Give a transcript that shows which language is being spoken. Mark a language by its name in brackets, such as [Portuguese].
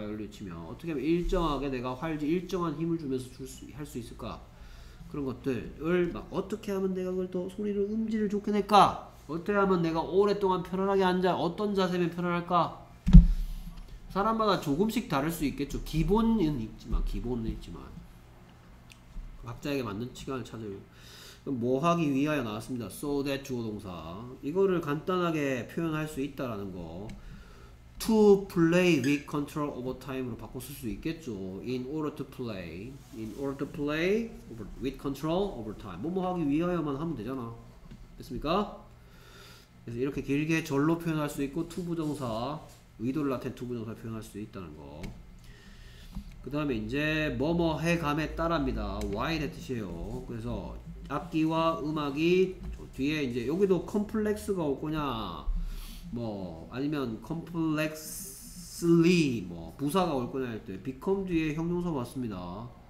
[Korean] 바이올린 치면 어떻게 하면 일정하게 내가 활지 일정한 힘을 주면서 할수 있을까, 그런 것들을 막 어떻게 하면 내가 그걸 더 소리를 음질을 좋게 낼까, 어떻게 하면 내가 오랫동안 편안하게 앉아 어떤 자세면 편안할까, 사람마다 조금씩 다를 수 있겠죠. 기본은 있지만 각자에게 맞는 시간을 찾을. 뭐 하기 위하여 나왔습니다. [English] So that [Korean] 주어동사. 이거를 간단하게 표현할 수 있다라는 거. [English] To play with control over time으로 [Korean] 바꿔 쓸수 있겠죠. [English] In order to play with control over time. [Korean] 뭐뭐 하기 위하여만 하면 되잖아. 됐습니까? 그래서 이렇게 길게 절로 표현할 수 있고, to 부정사, 의도를 나타낸 to 부정사 표현할 수 있다는 거. 그 다음에 이제 뭐뭐 해감에 따라입니다. Why의 뜻이에요. 그래서 악기와 음악이 뒤에 이제 여기도 컴플렉스가 올 거냐 뭐 아니면 컴플렉슬리 뭐 부사가 올 거냐 할때 become 뒤에 형용사 봤습니다.